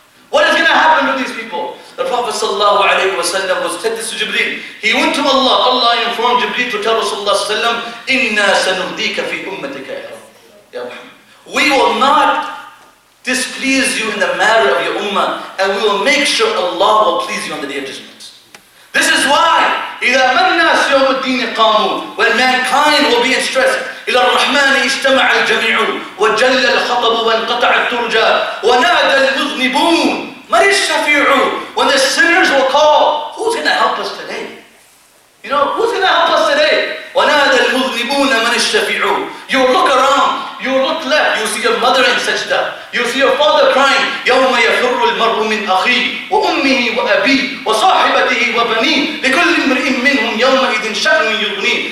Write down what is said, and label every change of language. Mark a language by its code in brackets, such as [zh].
[en] What is going to happen to these people? The Prophet sallallahu alayhi wa sallam was said this to Jibreel. He went to Allah. Allah informed Jibreel to tell Rasulullah ﷺ, [ar] Inna sanudika fi ummatika ya Muhammad. [en] We will not displease you in the matter of your ummah, and we will make sure Allah will please you on the day of judgment. This is why, [ar] إِذَا مَنَّاسْ يَوْمُ الدِّينِ قَامُوا. [en] When mankind will be in stress, [ar] إِلَى الرَّحْمَنِ اِجْتَمَعَ الْجَمِيعُ وَجَلَّ الْخَطَبُ وَانْقَطَعَ الْتُرْجَى وَنَادَ الْمُذْنِبُونَ مَنِ الشَّفِيعُ. [en] When the sinners will call, who's going to help us today? You know, who's going to help us today? [ar] وَنَادَ الْمُذْنِبُونَ مَنِ الشَّفِيعُ. [en] You look around, you look left, you see your mother in sajda. You see your father crying. [ar] يَوْمَ يَفُرُّ الْمَرْءُ مِنْ أَخِيهِ وَأُمِّهِ وَأَبِيهِ وَصَاحِبَتِهِ وَبَنِيهِ لِكُلِّ امْرِئٍ مِّنْهُمْ يَوْمَئِذٍ شَأْنٌ يُغْنِيهِ.